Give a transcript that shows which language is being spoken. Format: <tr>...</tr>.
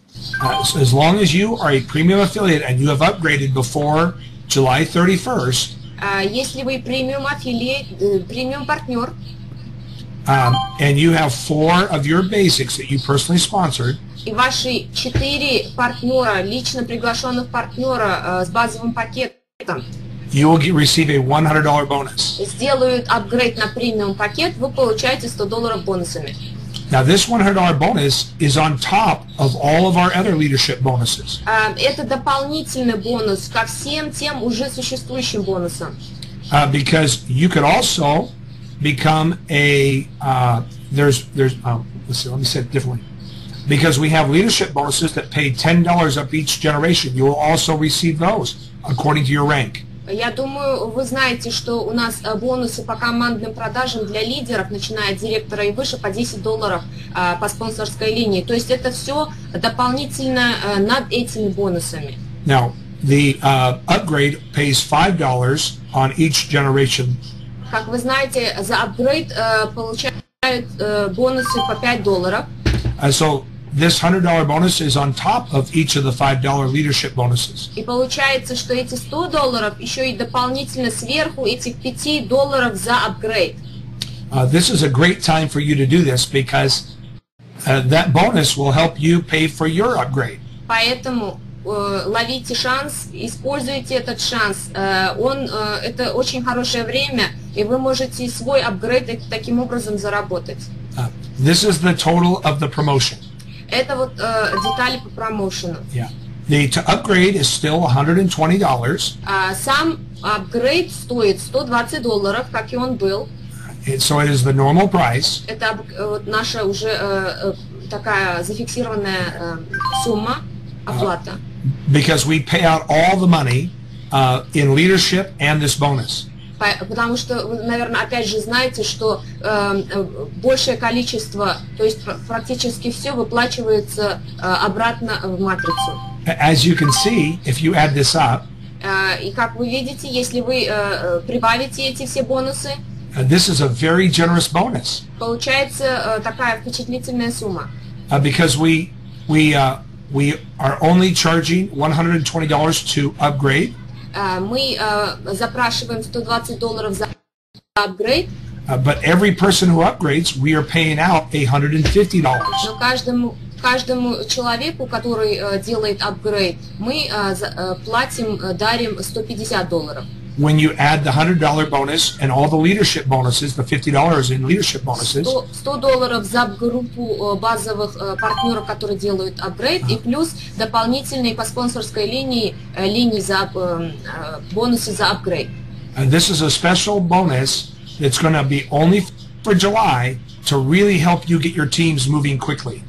<en>So as long as you are a premium affiliate and you have upgraded before July 31st,</en> <ru>если вы премиум аффилиат, премиум партнер,</ru> <en>and you have four of your basics that you personally sponsored,</en> <ru>и ваши четыре партнера, лично приглашенных партнера с базовым пакетом,</ru> <en>you will receive a $100 bonus.</en> <ru>Сделают апгрейд на премиум пакет, вы получаете $100 бонусами.</ru> <en>Now this $100 bonus is on top of all of our other leadership bonuses.</en> <ru>Это дополнительный бонус ко всем тем уже существующим бонусам.</ru> <en>Because you could also become a because we have leadership bonuses that pay $10 up each generation, you will also receive those according to your rank.</en> <ru>Я думаю, вы знаете, что у нас бонусы по командным продажам для лидеров, начиная от директора и выше, по $10 по спонсорской линии. То есть это все дополнительно над этими бонусами.</ru> <en>Now, the upgrade pays $5 on each generation.</en> <ru>Как вы знаете, за upgrade получают бонусы по $5.</ru> <en>So this $100 bonus is on top of each of the $5 leadership bonuses.</en> <ru>И получается, что эти $100 еще и дополнительно сверху этих $5 за апгрейд.</ru> <en>This is a great time for you to do this because that bonus will help you pay for your upgrade.</en> <ru>Поэтому ловите шанс, используйте этот шанс. Это очень хорошее время, и вы можете свой апгрейд таким образом заработать.</ru> <en>This is the total of the promotion.</en> <ru>Это вот детали по промоушену.</ru> <en>Yeah. To upgrade is still $120.</en> <ru>Сам апгрейд стоит $120, как и он был.</ru> <en>So it is the normal price.</en> <ru>Это вот наша уже такая зафиксированная сумма оплата.</ru> <en>Because we pay out all the money in leadership and this bonus.</en> <ru>Потому что вы, наверное, опять же знаете, что большее количество, то есть практически все выплачивается обратно в матрицу.</ru> <en>As you can see, if you add this up,</en> <ru>и как вы видите, если вы прибавите эти все бонусы,</ru> <en>this is a very generous bonus.</en> <ru>Получается такая впечатлительная сумма.</ru> <en>Because we are only charging $120 to upgrade.</en> <ru>Мы запрашиваем $120 за апгрейд.</ru> <en>But every person who upgrades, we are paying out $150.</en> <ru>Но каждому человеку, который делает апгрейд, мы дарим $150.</ru> <en>When you add the $100 bonus and all the leadership bonuses, the $50 in leadership bonuses.</en> <ru>$100 за группу базовых партнеров, которые делают апгрейд, и плюс дополнительные по спонсорской линии за бонусы за апгрейд.</ru> <en>This is a special bonus that's going to be only for July to really help you get your teams moving quickly.</en>